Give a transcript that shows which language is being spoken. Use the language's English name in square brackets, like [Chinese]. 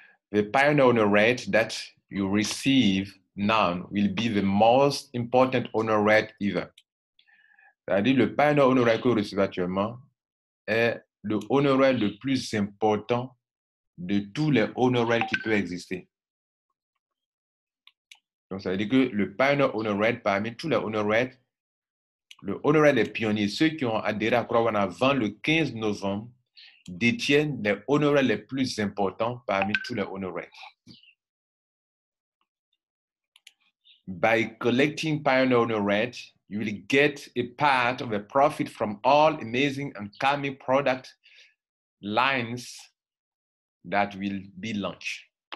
[English] The Pioneer Honor Rate that you receive now will be the most important honor rate ever. [French] C'est-à-dire, le Pioneer Honor Rate que vous recevez actuellement est le honor rate le plus important de tous les honor rates qui peuvent exister. Donc, ça veut dire que le Pioneer Honor Rate, parmi tous les honor rates, le honor rate des pionniers, ceux qui ont adhéré à CrowdOne avant le 15 novembre, détiennent les honor rates les plus importants parmi tous les honor rates. [English] By collecting Pioneer Honor Rate, you will get a part of the profit from all amazing and coming product lines that will be launched.